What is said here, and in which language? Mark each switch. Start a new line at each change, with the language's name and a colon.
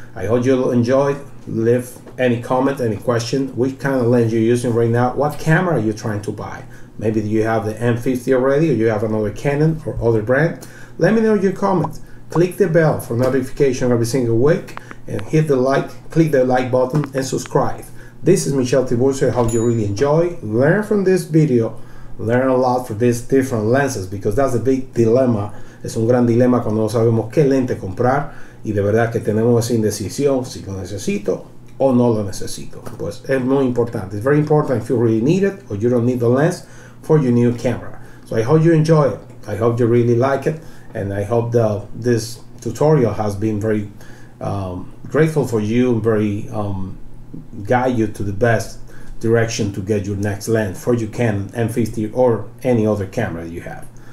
English: I hope you enjoyed. Leave any comment, any question. Which kind of lens you're using right now? What camera are you trying to buy? Maybe you have the M50 already, or you have another Canon or other brand. Let me know your comment. Click the bell for notification every single week and hit the like, click the like button and subscribe. This is Michel Tiburcio. I hope you really enjoy. Learn from this video. Learn a lot from these different lenses, because that's a big dilemma.
Spanish: Es un gran dilema cuando no sabemos qué lente comprar y de verdad que tenemos esa indecisión si lo necesito o no lo necesito. Pues es muy importante.
English: It's very important if you really need it or you don't need the lens for your new camera. So I hope you enjoy it. I hope you really like it. And I hope that this tutorial has been very grateful for you, very guide you to the best direction to get your next lens for your Canon M50 or any other camera you have.